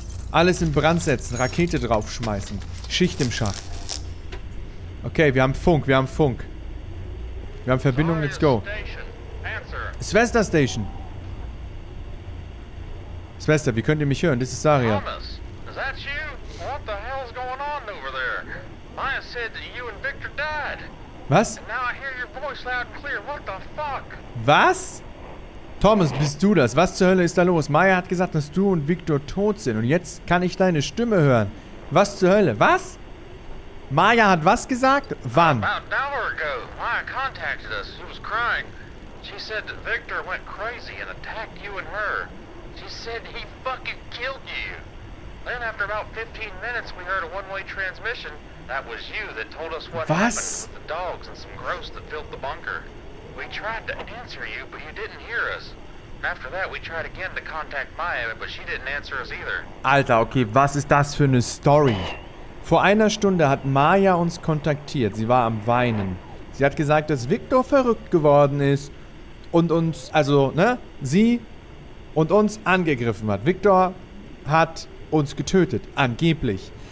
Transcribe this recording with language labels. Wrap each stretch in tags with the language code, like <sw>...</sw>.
<de>Alles in Brand setzen. Rakete draufschmeißen. Schicht im Schacht. Okay, wir haben Funk. Wir haben Funk. Wir haben Verbindung,</de> <en>let's go.</en> <de>Svesta Station. Svesta, wie könnt ihr mich hören? Das ist Saria.</de> <en>Thomas, is that you? What the hell is going on over there? Maya said that you and Victor died.</en> <de>Was?</de> <en>And now I hear your voice loud and clear. What the fuck?</en> <de>Was? Thomas, bist du das? Was zur Hölle ist da los? Maya hat gesagt, dass du und Victor tot sind. Und jetzt kann ich deine Stimme hören. Was zur Hölle? Was? Maya hat was gesagt? Wann?</de> <en>About an hour ago, Maya contacted us. She was crying. She said that Victor went crazy and attacked you and her. She said he fucking killed you. Then after about 15 minutes, we heard a one-way transmission. That was you that told us what</en> <de>was?</de> <en>Happened with the dogs and some gross that filled the bunker. We tried to answer you, but you didn't hear us. And after that, we tried again to contact Maya, but she didn't answer us either.</en> <de>Alter, okay, was ist das für eine Story? Vor einer Stunde hat Maya uns kontaktiert. Sie war am Weinen. Sie hat gesagt, dass Victor verrückt geworden ist und uns, also, ne, sie und uns angegriffen hat. Victor hat uns getötet, angeblich.</de>